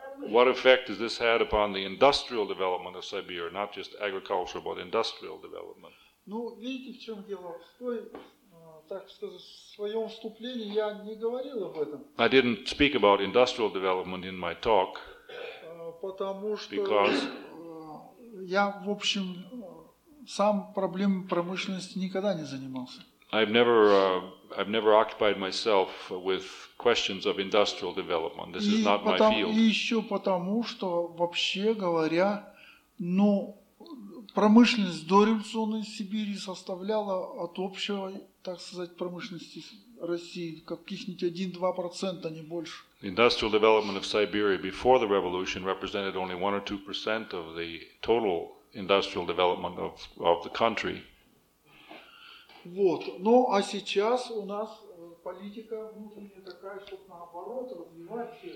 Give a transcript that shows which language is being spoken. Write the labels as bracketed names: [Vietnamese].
[English] What effect has this had upon the industrial development of Siberia? Not just agricultural, but industrial development. [Russian] Ну, видите, в чем дело? В той, так сказать, в своем вступлении я не говорил об этом. [English] I didn't speak about industrial development in my talk. [Russian] Потому что [English] because [Russian] я, в общем, сам проблемой промышленности никогда не занимался. [English] I've never occupied myself with questions of industrial development. This is not my field. [Russian] И еще потому, что вообще говоря, ну, промышленность дореволюционной Сибири составляла от общего, так сказать, промышленности России каких-нибудь 1-2%, не больше. [English] Industrial development of Siberia before the revolution represented only 1-2% of the total industrial development of the country. [Russian] Вот. Ну, а сейчас у нас политика внутренняя такая, чтобы наоборот развивать.